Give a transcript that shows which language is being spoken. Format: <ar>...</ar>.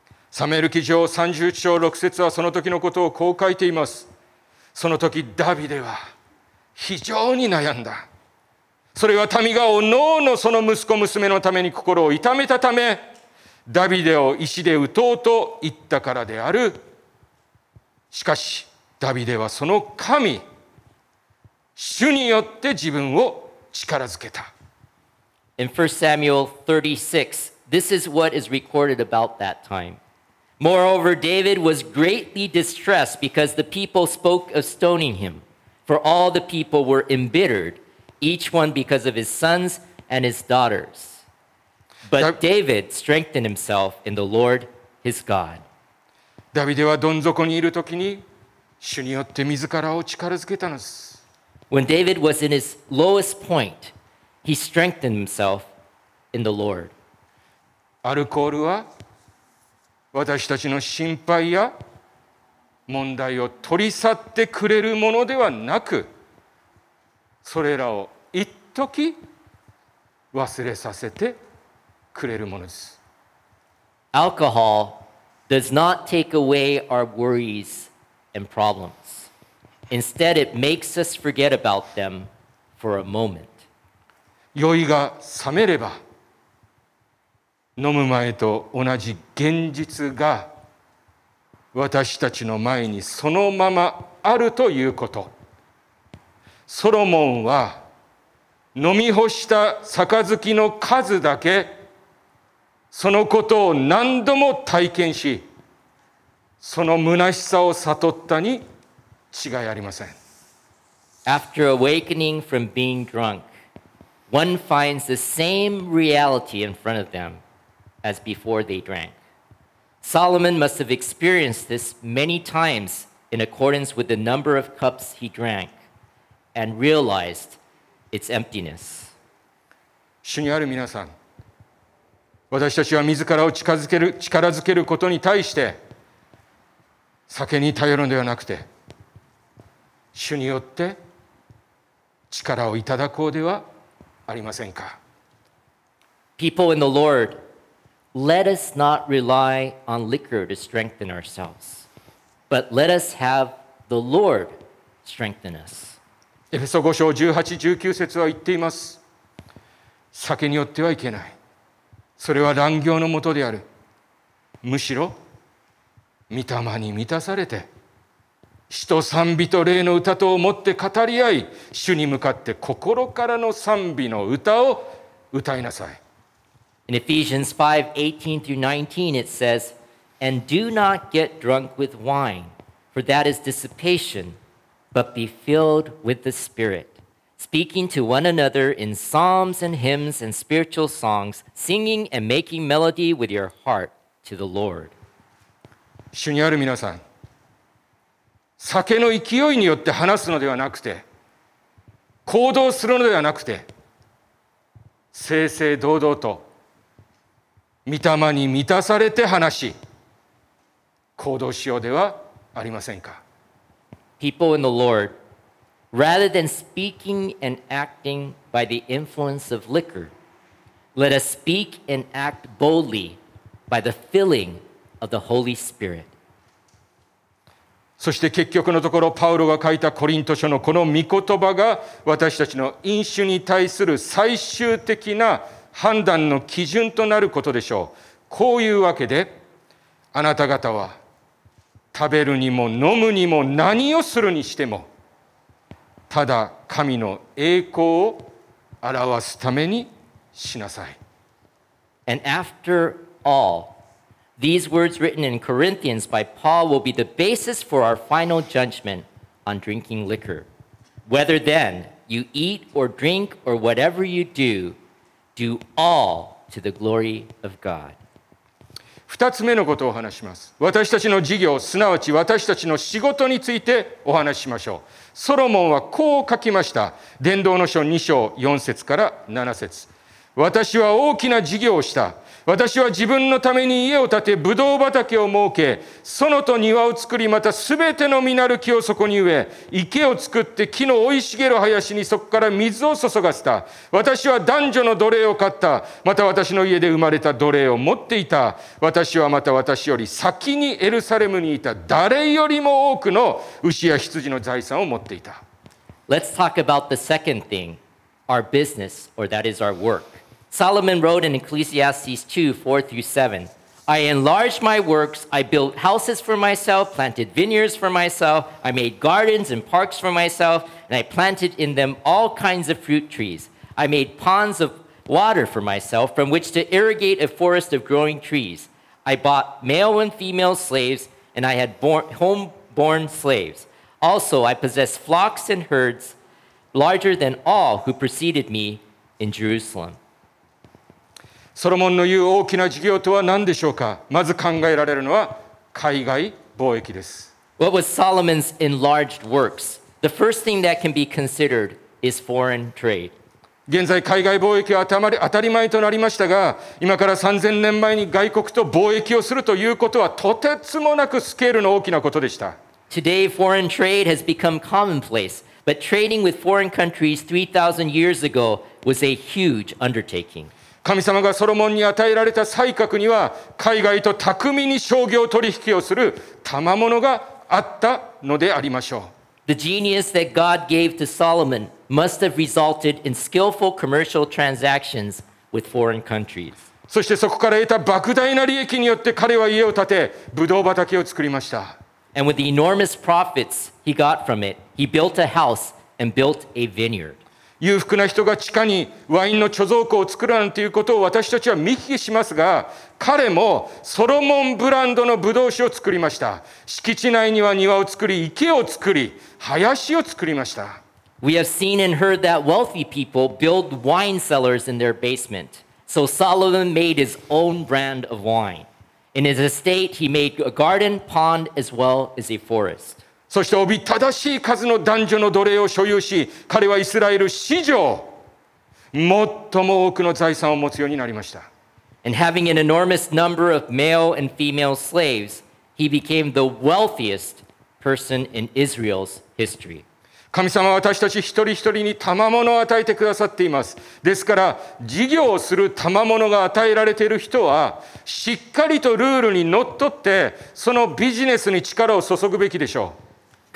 <ja>サムエル記上31章6節はその時のことをこう書いています。その時ダビデは非常に悩んだ。それは民がおのおのその息子娘のために心を痛めたため、ダビデを石で打とうと言ったからである。しかしダビデはその神、主によって自分を力づけた。</ja> <en>In 1 Samuel 36, this is what is recorded about that time. Moreover, David was greatly distressed because the people spoke of stoning him. For all the people were embittered, each one because of his sons and his daughters. But David strengthened himself in the Lord his God.</en> <ja>ダビデはどん底にいるときに、主によって自らを力づけたのです。</ja> <en>When David was in his lowest point,He strengthened himself in the Lord.</en> <ja>アルコールは私たちの心配や問題を取り去ってくれるものではなく、それらを一時忘れさせてくれるものです。</ja> <en>Alcohol does not take away our worries and problems. Instead, it makes us forget about them for a moment.</en> <ja>酔いが覚めれば、飲む前と同じ現実が私たちの前にそのままあるということ。ソロモンは飲み干した杯の数だけそのことを何度も体験し、その虚しさを悟ったに違いありません。</ja> <en>After awakening from being drunk,One finds the same reality in front of them as before they drank. Solomon must have experienced this many times in accordance with the number of cups he drank and realized its emptiness.</en> <ja>主にある皆さん、私たちは自らを力づけることに対して酒に頼るのではなくて、主によって力をいただこうではありませんか。</ja> <en>People in the Lord, let us not rely on liquor to strengthen ourselves, but let us have the Lord strengthen us.</en> <ja>エフェソ5章18、19節は言っています。酒によってはいけない。それは乱行のもとである。むしろ、御霊に満たされて、詩と賛美と霊の歌とをもって語り合い、主に向かって心からの賛美の歌を歌いなさい。</ja> <en>In Ephesians 5:18 through 19, it says, And do not get drunk with wine, for that is dissipation, but be filled with the Spirit, speaking to one another in psalms and hymns and spiritual songs, singing and making melody with your heart to the Lord.</en> <ja>主にある皆さん、酒の勢いによって話すのではなくて、行動するのではなくて、正々堂々と御霊に満たされて話し行動しようではありませんか。</ja> <en>People in the Lord, rather than speaking and acting by the influence of liquor, let us speak and act boldly by the filling of the Holy Spirit.</en> <ja>そして結局のところ、パウロが書いたコリント書のこの御言葉が私たちの飲酒に対する最終的な判断の基準となることでしょう。こういうわけで、あなた方は食べるにも飲むにも何をするにしても、ただ神の栄光を表すためにしなさい。</ja> <en>And after all, these words written in Corinthians by Paul will be the basis for our final judgment on drinking liquor. Whether then you eat or drink or whatever you do, do all to the glory of God.</en> <ja>二つ目のことをお話します。私たちの事業、すなわち私たちの仕事についてお話しましょう。ソロモンはこう書きました。伝道の書2章4節から7節。私は大きな事業をした。私は自分のために家を建て、ブドウ畑を設け、園と庭を作り、またすべての実なる木をそこに植え、池を作って木の生い茂る林にそこから水を注がせた。私は男女の奴隷を買った。また私の家で生まれた奴隷を持っていた。私はまた私より先にエルサレムにいた誰よりも多くの牛や羊の財産を持っていた。</ja> <en>Let's talk about the second thing, our business, or that is our work. Solomon wrote in Ecclesiastes 2, 4-7, I enlarged my works, I built houses for myself, planted vineyards for myself, I made gardens and parks for myself, and I planted in them all kinds of fruit trees. I made ponds of water for myself from which to irrigate a forest of growing trees. I bought male and female slaves, and I had home-born slaves. Also, I possessed flocks and herds larger than all who preceded me in Jerusalem.</en> <ja>ソロモンの言う大きな事業とは何でしょうか。まず考えられるのは海外貿易です。</ja> <en>What was Solomon's enlarged works? The first thing that can be considered is foreign trade.</en> <ja>現在海外貿易は当たり前となりましたが、今から3000年前に外国と貿易をするということはとてつもなくスケールの大きなことでした。</ja> <en>Today, foreign trade has become commonplace, but trading with foreign countries 3,000 years ago was a huge undertaking.</en> <ja>神様がソロモンに与えられた才覚には、海外と巧みに商業取引をする賜物があったのでありましょう。</ja> <en>The genius that God gave to Solomon must have resulted in skillful commercial transactions with foreign countries.</en> <ja>そしてそこから得た莫大な利益によって彼は家を建て、ブドウ畑を作りました。</ja> <en>And with the enormous profits he got from it, he built a house and built a vineyard.</en> <ja>裕福な人が地下にワインの貯蔵庫を作るなんていうことを私たちは見聞きしますが、彼もソロモンブランドのブドウ酒を作りました。敷地内には庭を作り、池を作り、林を作りました。</ja> <en>We have seen and heard that wealthy people build wine cellars in their basement. So Solomon made his own brand of wine. In his estate, he made a garden, pond, as well as a forest.</en> <ja>そしておびただしい数の男女の奴隷を所有し、彼はイスラエル史上最も多くの財産を持つようになりました。</ja> <en>And having an enormous number of male and female slaves, he became the wealthiest person in Israel's history.</en> <ja>神様は私たち一人一人に賜物を与えてくださっています。ですから、事業をする賜物が与えられている人は、しっかりとルールにのっとって、そのビジネスに力を注ぐべきでしょう。</ja>